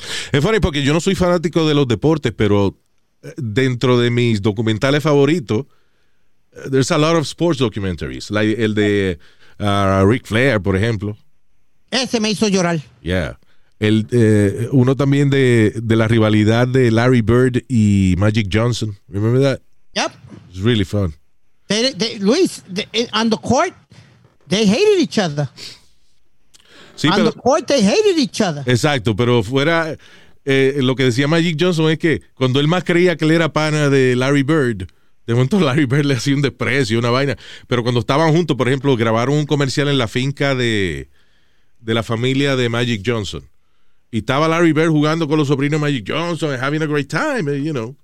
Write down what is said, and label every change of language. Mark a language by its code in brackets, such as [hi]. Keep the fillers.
[es] Es funny porque yo no soy fanático de los deportes, pero dentro de mis documentales favoritos, [en] there's a lot of sports documentaries, like [es] el de Ric Flair, por ejemplo. Ese me hizo llorar. [en] Yeah. [es] El, eh, uno también de, de, la rivalidad de Larry Bird y Magic Johnson. Remember that? Yep. It's really fun. They, they, Luis, they, on the court, they hated each other. Sí, on pero, the court, they hated each other. Exacto, pero fuera. Eh, lo que decía Magic Johnson es que cuando él más creía que le era pana de Larry Bird, de momento Larry Bird le hacía un desprecio, una vaina. Pero cuando estaban juntos, por ejemplo, grabaron un comercial en la finca de de la familia de Magic Johnson. Y estaba Larry Bird jugando con los sobrinos de Magic Johnson, [en] and having a great time, you know.